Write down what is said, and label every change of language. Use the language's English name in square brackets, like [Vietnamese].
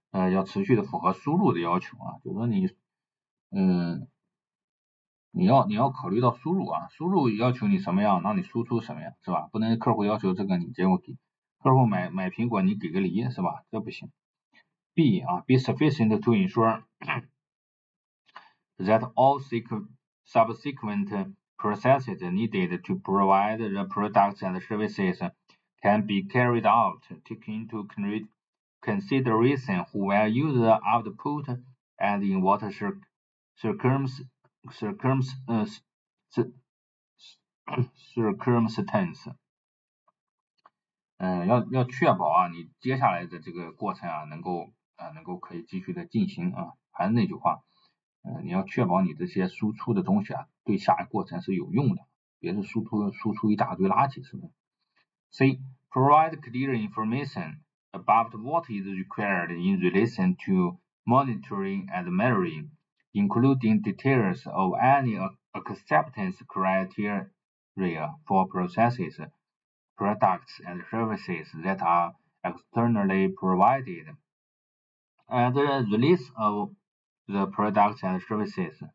[Chinese] 要持续的符合输入的要求啊，就是说你要考虑到输入啊，输入要求你什么样，那你输出什么样是吧？不能客户要求这个你结果给客户买苹果你给个梨是吧，这不行。 [English] B 啊 be sufficient to ensure that all subsequent processes needed to provide the products and services can be carried out, taking into consideration who will use the output and in what circumstance。 [Chinese] 要确保啊，你接下来的这个过程啊，能够可以继续的进行啊。还是那句话，你要确保你这些输出的东西啊，对下一个过程是有用的，别是输出一大堆垃圾，是不是？ C. [English] Provide clear information about what is required in relation to monitoring and measuring, including details of any acceptance criteria for processes. Products and services that are externally provided, and the release of the products and services.